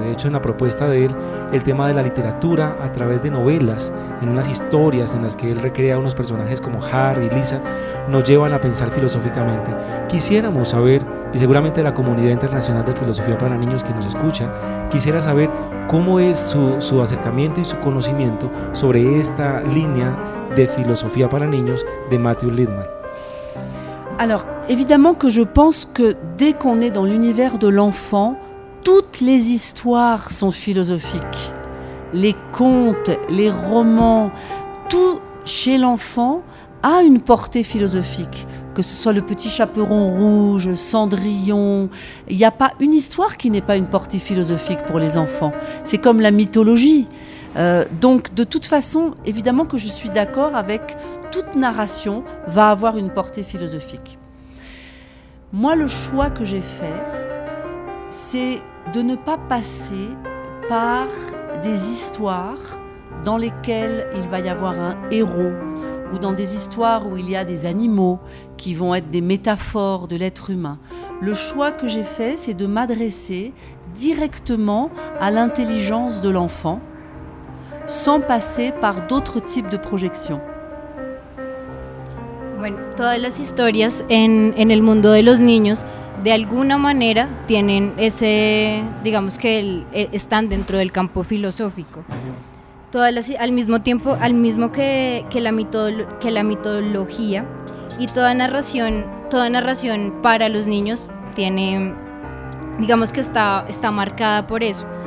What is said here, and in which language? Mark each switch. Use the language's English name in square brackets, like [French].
[Spanish] De hecho, en la propuesta de él, el tema de la literatura a través de novelas, en unas historias en las que él recrea unos personajes como Harry y Lisa, nos llevan a pensar filosóficamente. Quisiéramos saber, y seguramente la comunidad internacional de filosofía para niños que nos escucha, quisiera saber cómo es su acercamiento y su conocimiento sobre esta línea de filosofía para niños de Matthew Lidman. [French] Alors, évidemment que je pense que dès qu'on est dans l'univers de l'enfant, toutes les histoires sont philosophiques. Les contes, les romans, tout chez l'enfant a une portée philosophique. Que ce soit le petit chaperon rouge, Cendrillon, il n'y a pas une histoire qui n'ait pas une portée philosophique pour les enfants. C'est comme la mythologie. Donc, de toute façon, évidemment que je suis d'accord avec toute narration va avoir une portée philosophique. Moi, le choix que j'ai fait, c'est de ne pas passer par des histoires dans lesquelles il va y avoir un héros ou dans des histoires où il y a des animaux qui vont être des métaphores de l'être humain. Le choix que j'ai fait, c'est de m'adresser directement à l'intelligence de l'enfant sans passer par d'autres types de projections. [Spanish] Bueno, todas las historias en el mundo de los niños de alguna manera tienen ese, digamos que están dentro del campo filosófico. Todas las, al mismo tiempo, al mismo que la mitología y toda narración para los niños tiene, digamos que está marcada por eso.